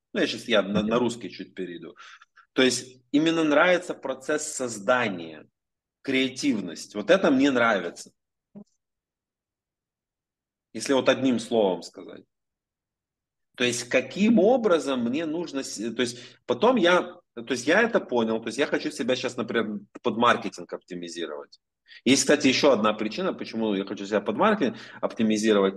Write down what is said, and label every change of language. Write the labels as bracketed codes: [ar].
[uk] Ну, я зараз на русский чуть перейду. Тобто, мені нравиться процес создання, креативність. [ru] Вот это мені нравится. Если вот одним словом сказать. То есть, каким образом мне нужно... То есть, потом я... То есть, я это понял. То есть, я хочу себя сейчас, например, под маркетинг оптимизировать. Есть, кстати, еще одна причина, почему я хочу себя под маркетинг оптимизировать.